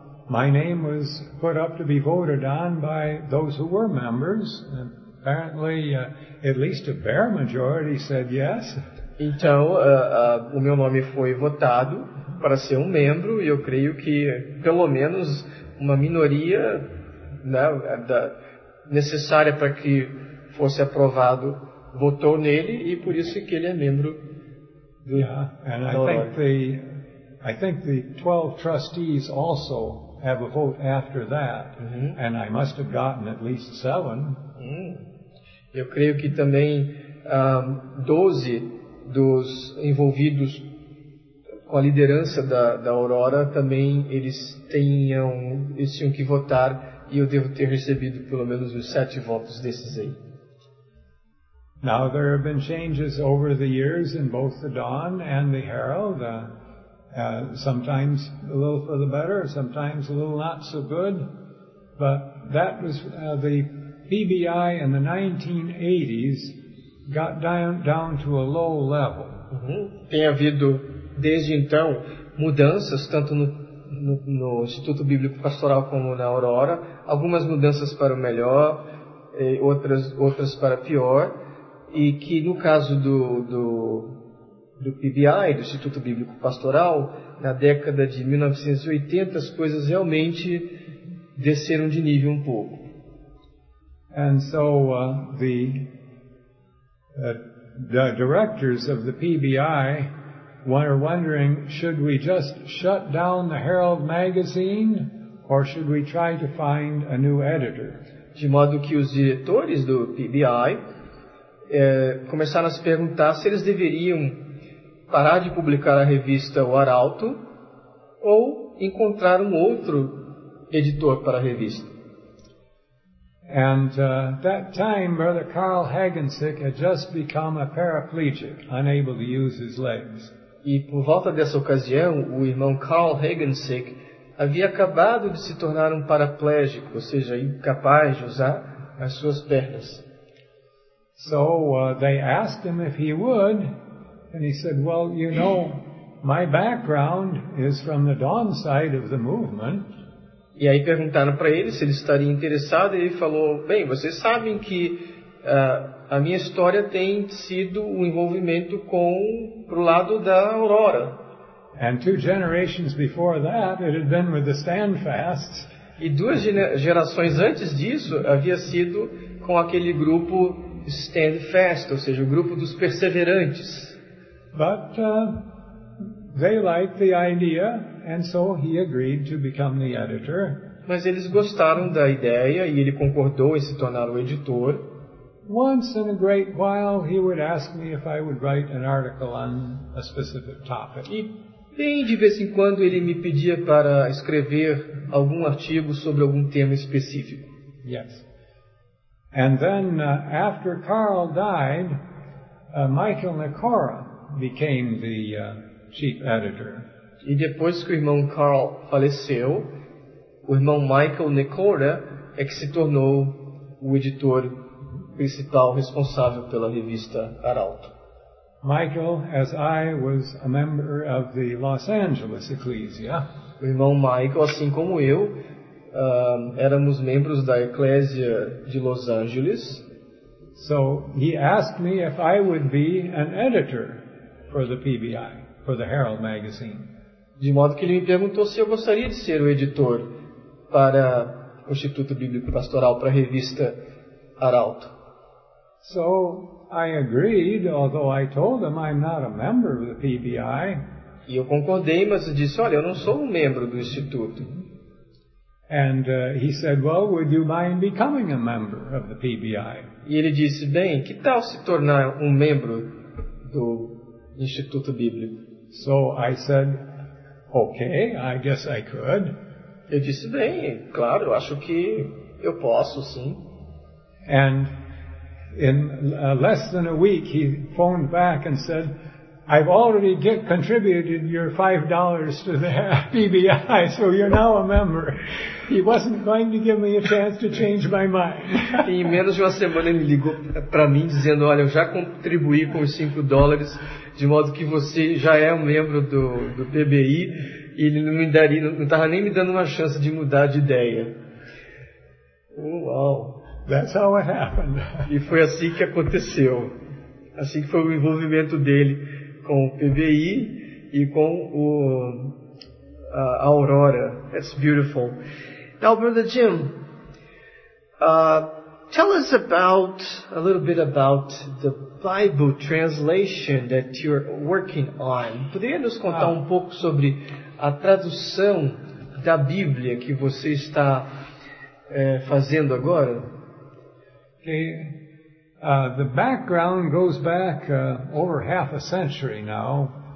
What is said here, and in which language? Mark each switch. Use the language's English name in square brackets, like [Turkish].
[English] My name was put up to be voted on by those who were members, and apparently at least a bare majority said yes. [Portuguese] Então, o meu nome foi votado para ser um membro, e eu creio que pelo menos uma minoria, né, necessária para que fosse aprovado, votou nele, e por isso que ele é membro do [English] I think the 12 trustees also have a vote after that. Uh-huh. And I must have gotten at least 7. [Portuguese] Eu creio que também 12 dos envolvidos com a liderança da Aurora também eles tinham que votar, e eu devo ter recebido pelo menos os 7 votos desses aí. [English] Now there have been changes over the years in both the Dawn and the Herald, sometimes a little for the better, sometimes a little not so good, but that was the PBI in the 1980s got down to a low level. [Portuguese] Tem havido desde então mudanças tanto no, no Instituto Bíblico Pastoral como na Aurora, algumas mudanças para o melhor, outras para pior, e que no caso do PBI, do Instituto Bíblico Pastoral, na década de 1980 as coisas realmente desceram de nível um pouco. [English] And so the directors of the PBI were wondering, should we just shut down the Herald magazine or should we try to find a new editor? [Portuguese] De modo que os diretores do PBI começaram a se perguntar se eles deveriam parar de publicar a revista O Arauto ou encontrar um outro editor para a revista. [English] And that time Brother Carl Hagensick had just become a paraplegic, unable to use his legs. [Portuguese] E por volta dessa ocasião, o irmão Carl Hagensick havia acabado de se tornar um paraplégico, ou seja, incapaz de usar as suas pernas. [English] So they asked him if he would, and he said, "Well, you know, my background is from the dawn side of the movement." [Portuguese] E aí perguntaram para ele se ele estaria interessado, e ele falou, "Bem, vocês sabem que a minha história tem sido um envolvimento com pro lado da Aurora." [English] And two generations before that, it had been with the Standfasts. [Portuguese] E duas gerações antes disso havia sido com aquele grupo Standfast, ou seja, o grupo dos perseverantes. [English] But they liked the idea, and so he agreed to become the editor. [Portuguese] Mas eles gostaram da ideia e ele concordou em se tornar o editor. [English] Once in a great while, he would ask me if I would write an article on a specific topic. [Portuguese] E bem de vez em quando ele me pedia para escrever algum artigo sobre algum tema específico. [English] Yes. And then, after Carl died, Michael Nicora became the chief editor. [Portuguese] E depois que o irmão Carl faleceu, o irmão Michael Nicora é que se tornou o editor principal responsável pela revista Arauto. [English] Michael, as I, was a member of the Los Angeles Ecclesia. [Portuguese] O irmão Michael, assim como eu, éramos membros da Eclésia de Los Angeles. [English] So he asked me if I would be an editor for the PBI, for the Herald magazine. [Portuguese] De modo que ele me perguntou se eu gostaria de ser o editor para o Instituto Bíblico Pastoral, para a revista Arauto. [English] So I agreed, although I told him I'm not a member of the PBI. [Portuguese] E eu concordei, mas eu disse, olha, eu não sou um membro do instituto. [English] And he said, "Well, would you mind becoming a member of the PBI?" [Portuguese] E ele disse, bem, que tal se tornar um membro do Instituto Bíblico? [English] So I said, "Okay, I guess I could." [Portuguese] Eu disse, bem, claro, acho que eu posso, sim. [English] And in less than a week, he phoned back and said, "I've already contributed your $5 to the PBI, so you're now a member." He wasn't going to give me a chance to change my mind. [Portuguese] Em menos de uma semana, ele ligou para mim dizendo, olha, eu já contribuí com os $5, de modo que você já é um membro do PBI, e ele não me daria, não estava nem me dando uma chance de mudar de ideia. [English] Oh, wow. That's how it happened. [Portuguese] E foi assim que aconteceu. Assim que foi o envolvimento dele com o PBI e com a Aurora. [English] That's beautiful. Now, Brother Jim, tell us a little bit about the Bible translation that you're working on. [Portuguese] Poderia nos contar um pouco sobre a tradução da Bíblia que você está fazendo agora? [English] The background goes back over half a century now.